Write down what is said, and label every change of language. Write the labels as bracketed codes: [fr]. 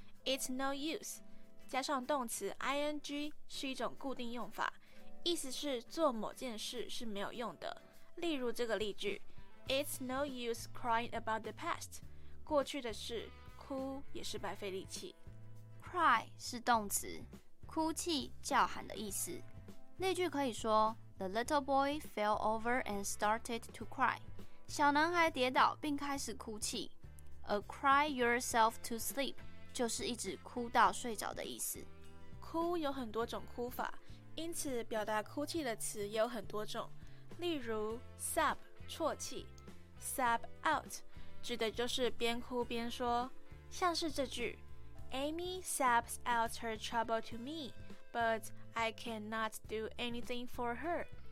[en] It's no use [zh] 加上动词 ing 是一种固定用法，意思是做某件事是没有用的。例如这个例句， [en] It's no use crying about the past. [zh] 过去的事哭也是白费力气。 Cry 是动词，哭泣叫喊的意思。例句可以说 [en] The little boy fell over and started to cry. [zh] 小男孩跌倒并开始哭泣。 [en] A cry yourself to sleep [zh] 就是一直哭到睡着的意思。哭有很多种哭法，因此表达哭泣的词也有很多种。例如 sob 啜泣， sob out 指的就是边哭边说，像是这句 [en] Amy sobs out her trouble to me, butI cannot do anything for her.